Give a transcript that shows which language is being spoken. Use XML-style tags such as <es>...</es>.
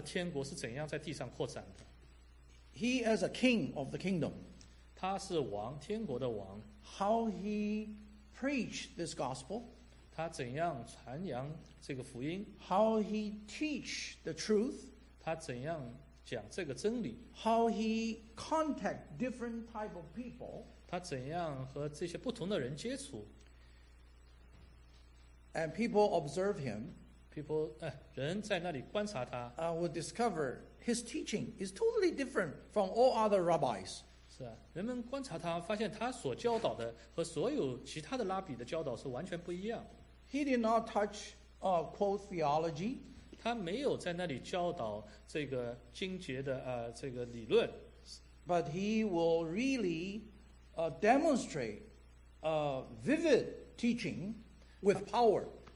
<zh>所以这里所讲的就是耶稣基督带领他的门徒，然后给他们门徒看怎样他的天国是怎样在地上扩展的。</zh> <en>He as a king of the kingdom.</en> <zh>他是王，天国的王。</zh> <en>How he preach this gospel.</en> <zh>他怎样传扬这个福音。</zh> <en>How he teach the truth.</en> <zh>他怎样 讲这个真理,</zh> <en>how he contact different type of people.</en> <zh>他怎样和这些不同的人接触,</zh> <en>and people observe him. People,</en> <zh>人在那里观察他,</zh> <en>will discover his teaching is totally different from all other rabbis.</en> <zh>是啊，人们观察他，发现他所教导的和所有其他的拉比的教导是完全不一样。</zh> <en>He did not touch quote theology.</en> <zh>他没有在那里教导这个经节的这个理论,</zh> <en>but he will really demonstrate a vivid teaching with power.</en>